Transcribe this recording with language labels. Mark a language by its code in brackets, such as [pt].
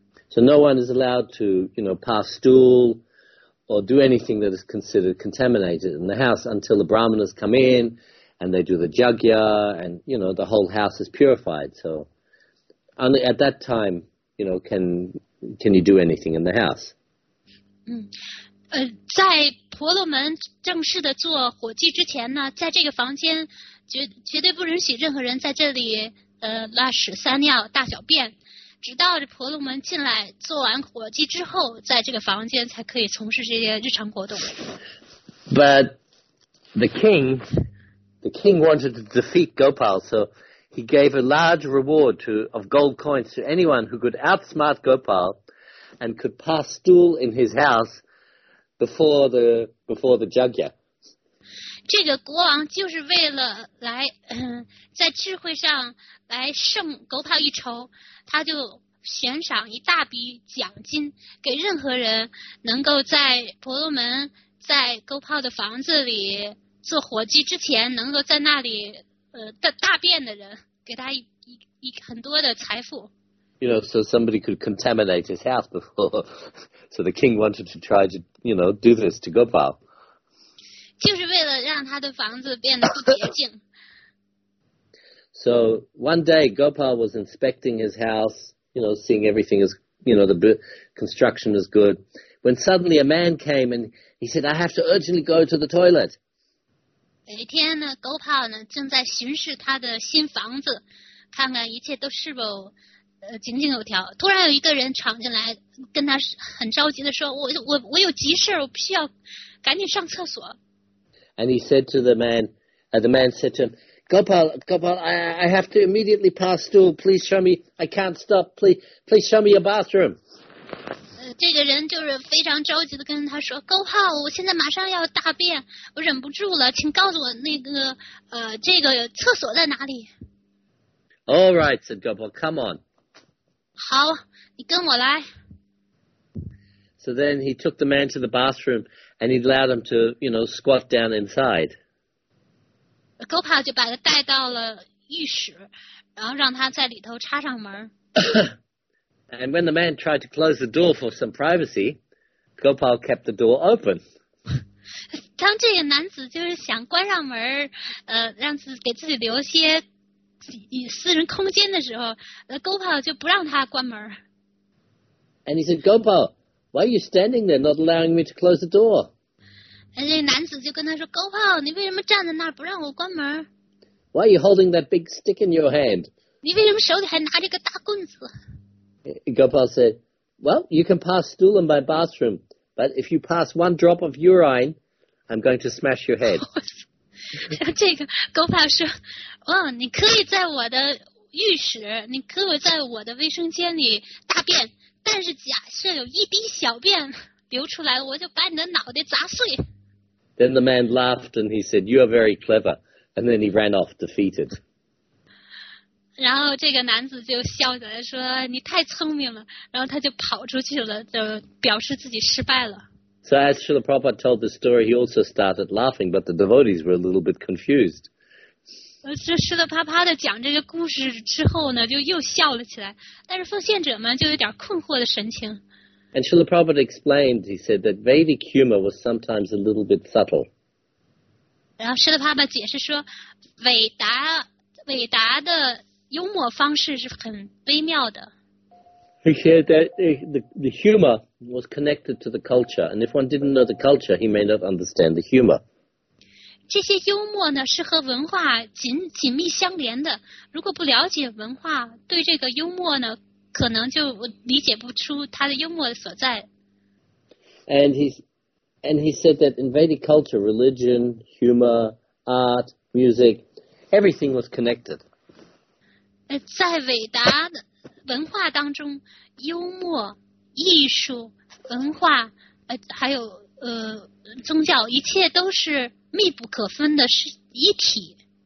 [en] So no one is allowed to, you know, pass stool or do anything that is considered contaminated in the house until the brahmanas come in and they do the jagya and, you know, the whole house is purified. So only at that time, you know, can you do anything in the house. [zh] 在婆罗门正式的做火祭之前呢，在这个房间绝对不允许任何人在这里拉屎撒尿大小便，直到这婆罗门进来做完火祭之后，在这个房间才可以从事这些日常活动。 [en] But the king wanted to defeat Gopal, so he gave a large reward of gold coins to anyone who could outsmart Gopal and could pass stool in his house. Before the jagya. [zh] 这个国王就是为了来在智慧上来胜狗跑一筹，他就悬赏一大笔奖金给任何人能够在婆罗门在狗跑的房子里做火祭之前能够在那里大便的人，给他一很多的财富。 [en] You know, so somebody could contaminate his house before. So the king wanted to try to, you know, do this to Gopal. [zh] 就是为了让他的房子变得不洁净。 [en] So one day Gopal was inspecting his house, you know, seeing everything is, you know, the construction is good. When suddenly a man came and he said, I have to urgently go to the toilet. [zh] 有一天呢 ,Gopal 呢正在巡视他的新房子，看看一切都是否井井有条，突然有一个人闯进来，跟他很着急的说，我有急事，我需要赶紧上厕所。 [en] And he said to the man, the man said to him, Gopal, I have to immediately pass stool, please show me, I can't stop, please show me your bathroom. [zh] 这个人就是非常着急的跟他说， Gopal, 我现在马上要大便，我忍不住了，请告诉我那个这个厕所在哪里。 [en] All right, said Gopal, come on. [zh] 好，你跟我来。 [en] So then he took the man to the bathroom and he allowed him to, you know, squat down inside. [zh] Gopal 就把他带到了浴室，然后让他在里头插上门。 [en] And when the man tried to close the door for some privacy, Gopal kept the door open. [zh] 当这个男子就是想关上门，让自己给自己留些私人空间的时候， Gopal 就不让他关门。 [en] And he said, Gopal, why are you standing there not allowing me to close the door? [zh] 那男子就跟他说， Gopal, 你为什么站在那儿不让我关门？ [en] Why are you holding that big stick in your hand? [zh] 你为什么手里还拿着个大棍子？ [en] Gopal said, well, you can pass stool in my bathroom, but if you pass one drop of urine, I'm going to smash your head. [zh] 这个 Gopal 说，哦，你可以在我的浴室，你可以在我的卫生间里大便，但是假设有一滴小便流出来，我就把你的脑袋砸碎。 [en] Then the man laughed and he said, "You are very clever." And then he ran off defeated. [zh] 然后这个男子就笑起来说，你太聪明了。然后他就跑出去了，就表示自己失败了。 [en] So as Srila Prabhupada told the story, he also started laughing, but the devotees were a little bit confused. [zh] Srila Prabhupada 讲这个故事之后呢，就又笑了起来，但是奉献者们就有点困惑的神情。 [en] And Srila Prabhupada explained, he said that Vedic humor was sometimes a little bit subtle. [zh] 然后 Srila Prabhupada 解释说，伟达的幽默方式是很微妙的。 [en] He said that the humor was connected to the culture, and if one didn't know the culture, he may not understand the humor. [zh] 这些幽默呢是和文化紧密相连的。如果不了解文化，对这个幽默呢，可能就理解不出它的幽默所在。 [en] And he said that in Vedic culture, religion, humor, art, music, everything was connected. [zh] 在伟达的文化当中，幽默、艺术、文化，还有宗教，一切都是密不可分的，是一体。